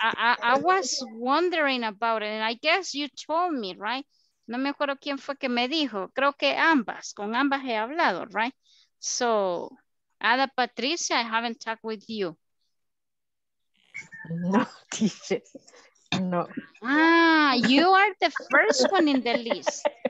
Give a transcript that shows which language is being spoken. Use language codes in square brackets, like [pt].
[en] I was wondering about it, and I guess you told me, right? [es] No me acuerdo quién fue que me dijo. Creo que ambas, con ambas he hablado, right? [en] So, Ada Patricia, I haven't talked with you. No, teacher. No. Ah, you are the first one in the list.